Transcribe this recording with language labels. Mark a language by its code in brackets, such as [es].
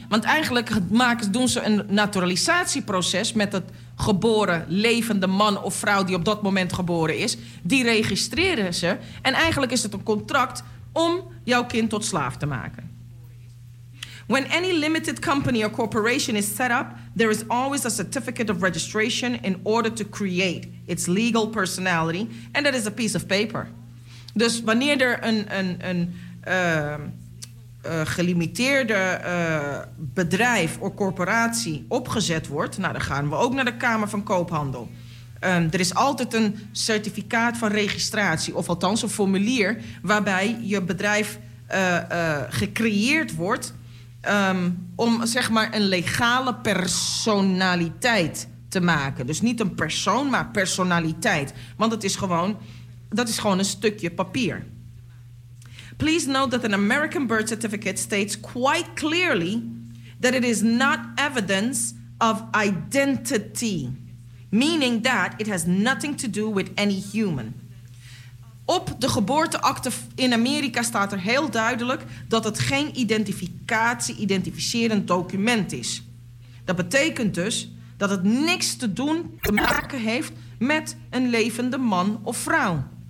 [nl] Want eigenlijk doen ze een naturalisatieproces... met het geboren, levende man of vrouw die op dat moment geboren is. Die registreren ze. En eigenlijk is het een contract om jouw kind tot slaaf te maken. [en] When any limited company or corporation is set up... there is always a certificate of registration in order to create its legal personality. And that is a piece of paper. [nl] Dus wanneer er gelimiteerde bedrijf of corporatie opgezet wordt... nou, dan gaan we ook naar de Kamer van Koophandel. Er is altijd een certificaat van registratie, of althans een formulier... waarbij je bedrijf gecreëerd wordt... om zeg maar een legale personaliteit te maken. Dus niet een persoon, maar personaliteit. Want dat is gewoon een stukje papier. [en] Please note that an American birth certificate states quite clearly that it is not evidence of identity. Meaning that it has nothing to do with any human. [nl] Op de geboorteakte in Amerika staat er heel duidelijk dat het geen identificerend document is. Dat betekent dus dat het niks te maken heeft met een levende man of vrouw.